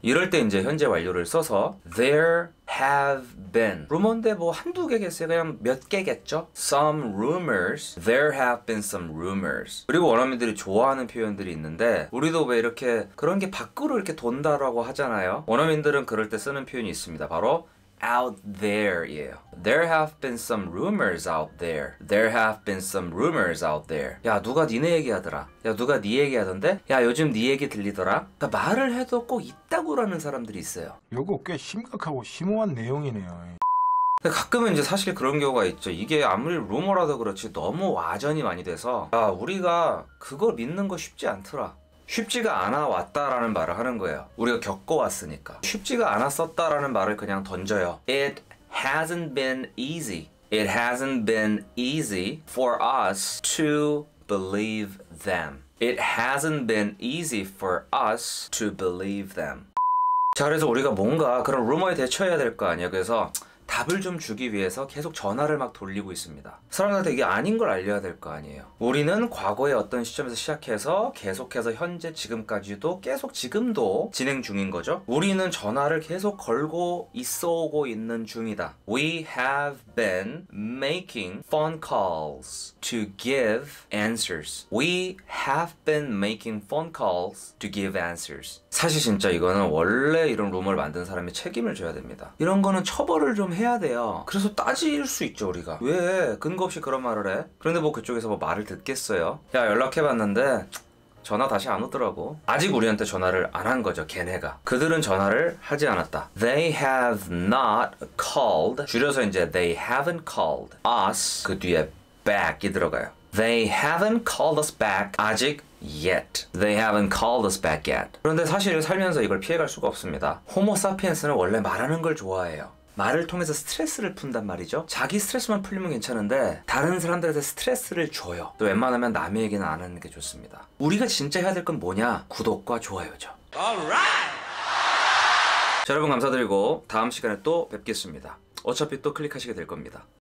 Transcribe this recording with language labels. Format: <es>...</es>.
<ko>이럴 때 이제 현재 완료를 써서</ko> <en>There have been</en> <ko>루머인데 뭐 한두 개겠어요? 그냥 몇 개겠죠?</ko> <en>Some rumors There have been some rumors</en> <ko>그리고 원어민들이 좋아하는 표현들이 있는데 우리도 왜 이렇게 그런 게 밖으로 이렇게 돈다라고 하잖아요. 원어민들은 그럴 때 쓰는 표현이 있습니다. 바로</ko> <en>out there</en> <ko>예요.</ko> <en>There have been some rumors out there. There have been some rumors out there.</en> <ko>야 누가 니네 얘기하더라. 야 누가 니 얘기하던데. 야 요즘 니 얘기 들리더라. 그러니까 말을 해도 꼭 있다고라는 사람들이 있어요. 요거 꽤 심각하고 심오한 내용이네요. 가끔은 이제 사실 그런 경우가 있죠. 이게 아무리 루머라도 그렇지 너무 와전이 많이 돼서 야 우리가 그걸 믿는 거 쉽지 않더라. 쉽지가 않아 왔다라는 말을 하는 거예요. 우리가 겪어왔으니까. 쉽지가 않았었다라는 말을 그냥 던져요.</ko> <en>It hasn't been easy. It hasn't been easy for us to believe them. It hasn't been easy for us to believe them.</en> <ko>자, 그래서 우리가 뭔가 그런 루머에 대처해야 될 거 아니야. 그래서 답을 좀 주기 위해서 계속 전화를 막 돌리고 있습니다. 사람들한테 이게 아닌 걸 알려야 될 거 아니에요. 우리는 과거의 어떤 시점에서 시작해서 계속해서 현재 지금까지도 계속 지금도 진행 중인 거죠. 우리는 전화를 계속 걸고 있어 오고 있는 중이다.</ko> <en>We have been making phone calls to give answers. We have been making phone calls to give answers.</en> <ko>사실 진짜 이거는 원래 이런 루머를 만든 사람이 책임을 져야 됩니다. 이런 거는 처벌을 좀 해야 돼요. 그래서 따질 수 있죠 우리가. 왜 근거 없이 그런 말을 해? 그런데 뭐 그쪽에서 뭐 말을 듣겠어요? 야 연락해봤는데 전화 다시 안 오더라고. 아직 우리한테 전화를 안 한 거죠 걔네가. 그들은 전화를 하지 않았다.</ko> <en>They have not called</en> <ko>줄여서 이제</ko> <en>they haven't called us</en> <ko>그 뒤에 back이 들어가요.</ko> <en>They haven't called us back</en> <ko>아직</ko> <en>yet. They haven't called us back yet.</en> <ko>그런데 사실 살면서 이걸 피해갈 수가 없습니다. 호모 사피엔스는 원래 말하는 걸 좋아해요. 말을 통해서 스트레스를 푼단 말이죠. 자기 스트레스만 풀리면 괜찮은데 다른 사람들한테 스트레스를 줘요. 또 웬만하면 남의 얘기는 안 하는 게 좋습니다. 우리가 진짜 해야 될 건 뭐냐? 구독과 좋아요죠.</ko> <en>Alright!</en> <ko>여러분 감사드리고 다음 시간에 또 뵙겠습니다. 어차피 또 클릭하시게 될 겁니다.</ko>